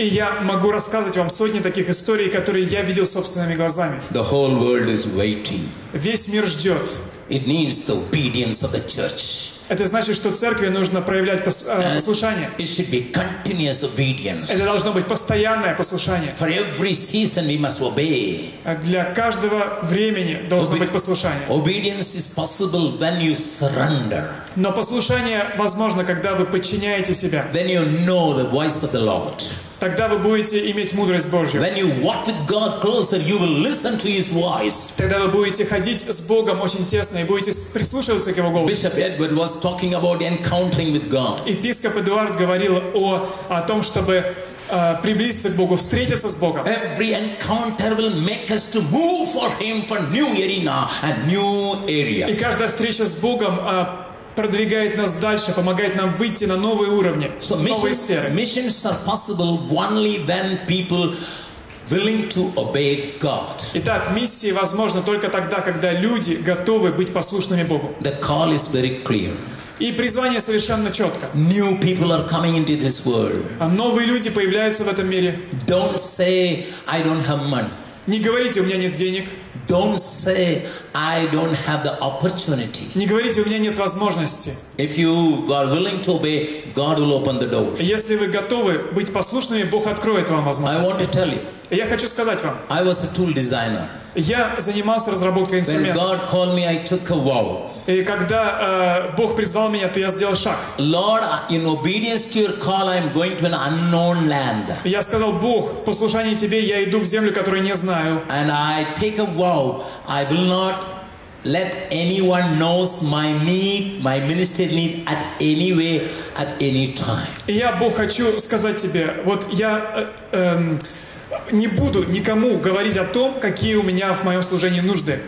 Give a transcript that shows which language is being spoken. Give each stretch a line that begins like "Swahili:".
Russian: И я могу рассказывать вам сотни таких историй, которые я видел собственными глазами.
English: The whole world is waiting.
Russian: Весь мир ждет.
English: It needs the obedience of the church.
Russian: Это значит, что церкви нужно проявлять послушание.
English: It should be continuous obedience.
Russian: Это должно быть постоянное послушание.
English: For every season we must obey.
Russian: Для каждого времени должно быть послушание.
English: Obedience is possible when you surrender.
Russian: Но послушание возможно, когда вы подчиняете себя.
English: When you know the voice of the Lord.
Russian: Тогда вы будете иметь мудрость Божью.
English: When you walk with God closer, you will listen to His voice.
Russian: Тогда вы будете ходить с Богом очень тесно и будете прислушиваться к Его голосу.
English: Bishop Edward was talking about encountering with God.
Russian: Епископ Эдуард говорил о том, чтобы приблизиться к Богу, встретиться с Богом.
English: Every encounter will make us to move for Him for new arena and new area.
Russian: И каждая встреча с Богом продвигает нас дальше, помогает нам выйти на новые уровни,
English: so
Russian: новые сферы.
English: Missions are possible only when people willing to obey God.
Russian: Итак, миссии возможны только тогда, когда люди готовы быть послушными Богу.
English: The call is very clear.
Russian: И призвание совершенно четко.
English: New people are coming into this world.
Russian: А новые люди появляются в этом мире.
English: Don't say I don't have money.
Russian: Не говорите, у меня нет денег.
English: Don't say I don't have the opportunity.
Russian: Не говорите, у меня нет возможности.
English: If you are willing to obey, God will open the doors.
Russian: Если вы готовы быть послушными, Бог откроет вам возможности.
English: I want to tell you.
Russian: Я хочу сказать вам.
English: I was a tool designer.
Russian: Я занимался разработкой инструментов.
English: When God called me, I took a vow.
Russian: И когда Бог призвал меня, то я сделал шаг.
English: Lord, in obedience to your call, I'm going to an unknown land.
Russian: Я сказал: Бог, в послушании тебе я иду в землю, которую не знаю.
English: And I take a vow, I will not let anyone knows my need, my ministry need at any way, at any time.
Russian: И я, Бог, хочу сказать тебе, вот я не буду никому говорить о том, какие у меня в моем служении нужды.